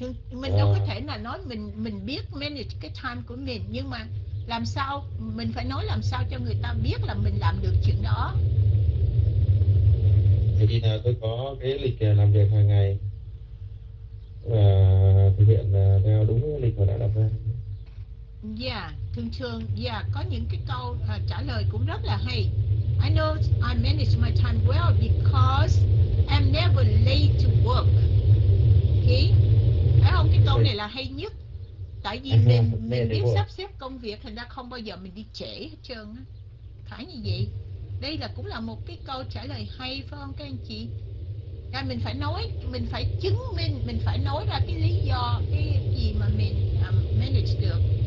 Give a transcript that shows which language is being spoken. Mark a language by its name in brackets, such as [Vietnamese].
[Vietnamese] Mình đâu có thể là nói mình biết manage cái time của mình, nhưng mà làm sao mình phải nói làm sao cho người ta biết là mình làm được chuyện đó? Thì là tôi có cái lịch làm việc hàng ngày và thực hiện theo đúng lịch mà đã đặt ra. Yeah, thường yeah, có những cái câu trả lời cũng rất là hay. [English] I know I manage my time well because I'm never late to work. Okay? [Vietnamese] Thấy không? Cái câu này là hay nhất. Tại vì mình biết sắp xếp công việc, thành ra không bao giờ mình đi trễ hết trơn á. Phải như vậy. Đây là cũng là một cái câu trả lời hay, phải không các anh chị? À, mình phải nói, mình phải chứng minh, mình phải nói ra cái lý do, cái gì mà mình manage được.